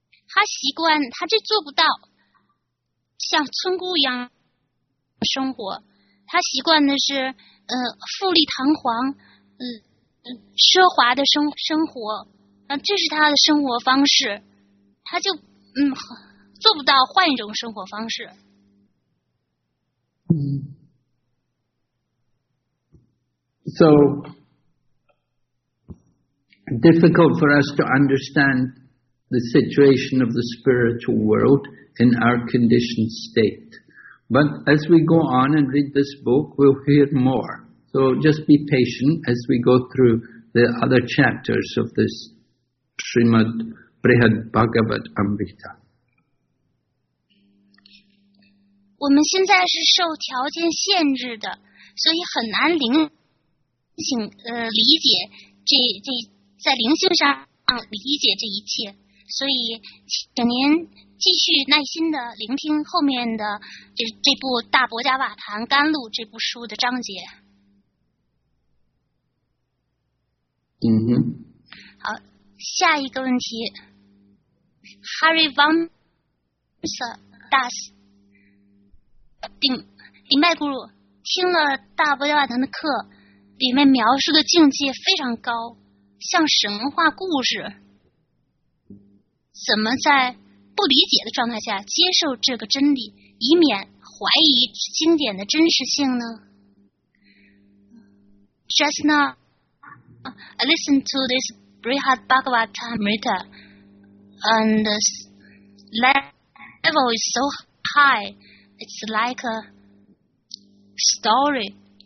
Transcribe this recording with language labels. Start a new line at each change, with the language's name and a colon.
Chinese: 她习惯，她就做不到像村姑一样生活，他习惯的是富丽堂皇，奢华的生活，这是他的生活方式，他就做不到换一种生活方式。
English: So difficult for us to understand the situation of the spiritual world in our conditioned state. But as we go on and read this book, we'll hear more. So just be patient as we go through the other chapters of this Srimad Brihad Bhagavad Amrita.
Chinese: 我们现在是受条件限制的，所以很难灵性理解这在灵性上理解这一切。所以请您继续耐心的聆听后面的这部《大博伽瓦谈甘露》这部书的章节。好，下一个问题 ，Harry Van Das， 林麦古鲁听了《大博伽瓦谈》的课，里面描述的境界非常高，像神话故事，怎么在？不理解的状态下接受这个真理，以免怀疑经典的真实性呢？
English: Just now, I listened to this Brihad Bhagavatamrita, and the level is so high, it's like a story.